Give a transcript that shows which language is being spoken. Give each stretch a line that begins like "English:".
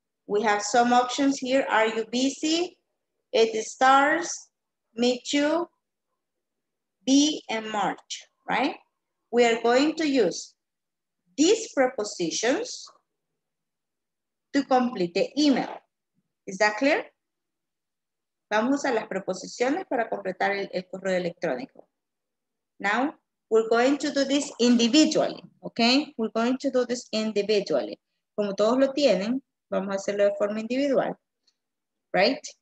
English: We have some options here. Are you busy? It starts. Meet you. B and March, right? We are going to use these prepositions to complete the email. Is that clear?
Spanish: Vamos a las preposiciones para completar el correo electrónico.
English: Now, we're going to do this individually, okay? We're going to do this individually.
Spanish: Como todos lo tienen, vamos a hacerlo de forma individual,
English: right?